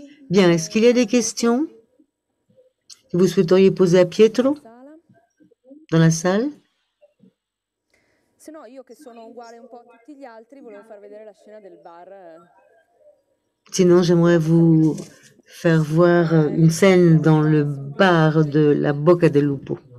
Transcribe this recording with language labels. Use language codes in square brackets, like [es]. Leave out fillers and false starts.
[fr] Bien, est-ce qu'il y a des questions que vous souhaiteriez poser à Pietro dans la salle? [it] Sinon, io che sono uguale un po' a tutti gli altri, volevo far vedere la scena del bar. [fr] Sinon, j'aimerais vous faire voir une scène dans le bar de la Bocca del Lupo.